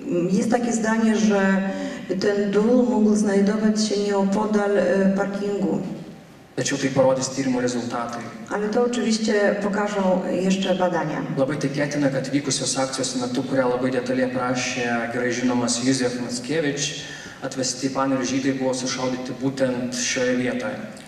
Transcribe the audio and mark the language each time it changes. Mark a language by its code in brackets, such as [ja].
[pl] Jest takie zdanie, że ten dół mógł znajdować się nieopodal parkingu. [lt] Tačiau tai parodys tyrimo rezultatai. [pl] Ale to oczywiście pokażą jeszcze badania. [lt] Labai tikėtina, kad vykusios akcijos metu, kurią labai detaliai prašė gerai žinomas Juzef Mackevič, atvesti Panerių žydai buvo sušaudyti būtent šioje vietoje.